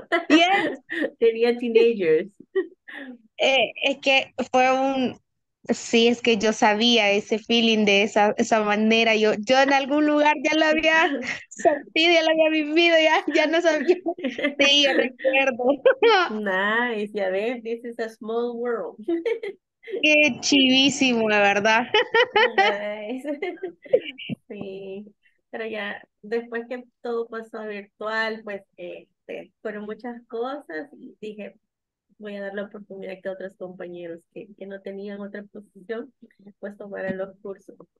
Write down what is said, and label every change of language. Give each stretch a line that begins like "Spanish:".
English: Yes.
Spanish: Tenía teenagers. Es que fue un... Sí, es que yo sabía ese feeling de esa manera. Yo en algún lugar ya lo había sentido, ya lo había vivido, ya no sabía. Sí, yo recuerdo.
English: Nice,
Spanish: ya ves,
English: this is a small world.
Spanish: Qué chivísimo, la verdad.
English: Nice.
Spanish: Sí, pero ya después que todo pasó a virtual, pues fueron muchas cosas y dije, voy a dar la oportunidad que otros compañeros que no tenían otra posición, pues tomaran los cursos.